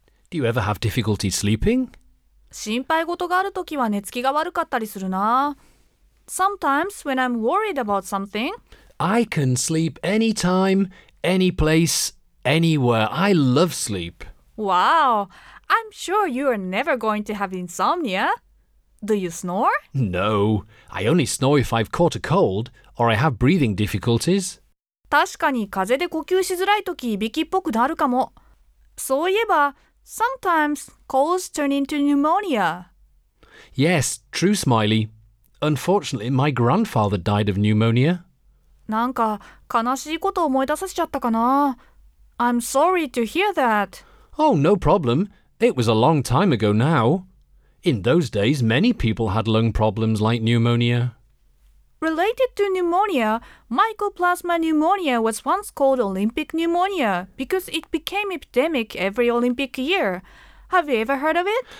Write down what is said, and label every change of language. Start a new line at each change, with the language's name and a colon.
English: Do you ever have difficulty sleeping?
Japanese: 心配事があるときは寝つきが悪かったりするな。
English: Sometimes when I'm worried about something, I can sleep anytime, any place, anywhere. I love sleep. Wow! I'm sure you are never going to have insomnia. Do you snore? No. I only snore if I've caught a cold or I have breathing difficulties.
Japanese: 確かに風邪で呼吸しづらいとき、いびきっぽくなるかも。そういえば、
English: Sometimes colds turn into pneumonia. Yes, true, Smiley. Unfortunately, my grandfather died of pneumonia.
Japanese: なんか悲しいことを思い出させちゃったかな。
English: I'm sorry to hear that. Oh, no problem. It was a long time ago now. In those days, many people had lung problems like pneumonia. Related to pneumonia, Mycoplasma pneumonia was once called Olympic pneumonia because it became epidemic every Olympic year. Have you ever heard of it?